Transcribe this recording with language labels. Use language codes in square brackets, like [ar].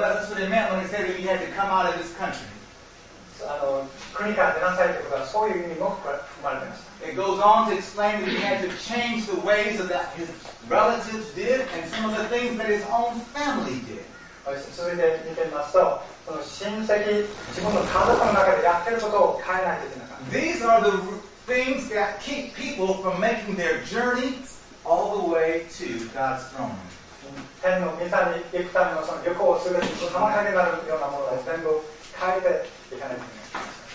[en] That's what it meant when it said that you had to come out of this country. [ja] 国から出なさいということはそういう意味も含まれています。 [en] It goes on to explain that he had to change the ways of that his relatives did and some of the things that his own family did. [ja] 続いて見てみますと、その親戚、自分の家族の中でやってることを変えないといけない。 [en] These are the things that keep people from making their journey all the way to God's throne. [ja] 天の御座に行くためのその旅行をするのに妨げになるようなものを全部変えていかないといけない。